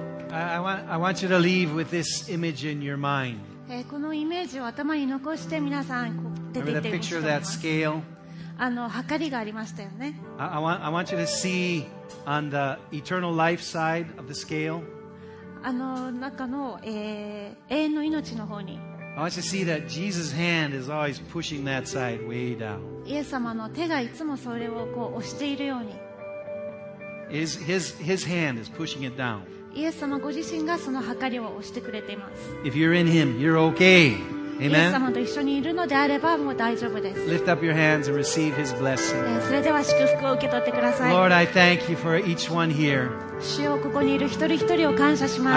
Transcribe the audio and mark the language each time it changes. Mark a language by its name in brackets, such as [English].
[English] To leave with this image in your mind. [Japanese] このイメージを頭に残して皆さん出てきてみてください。あの、はかりがありましたよね。 [English] I want you to see on the eternal life side of the scale. [Japanese] あの中の、永遠の命の方に。 [English] I want you to see that Jesus' hand is always pushing that side way down. [Japanese] イエス様の手がいつもそれをこう押しているように。 [English] His hand is pushing it down. [Japanese] イエス様ご自身がその計りを押してくれています。 [English] If you're in him, you're okay. Amen. [Japanese] イエス様と一緒にいるのであればもう大丈夫です。 [English] Lift up your hands and receive his blessing. [Japanese] それでは祝福を受け取ってください。 [English] Lord, I thank you for each one here. [Japanese] 主よ、ここにいる一人一人を感謝します。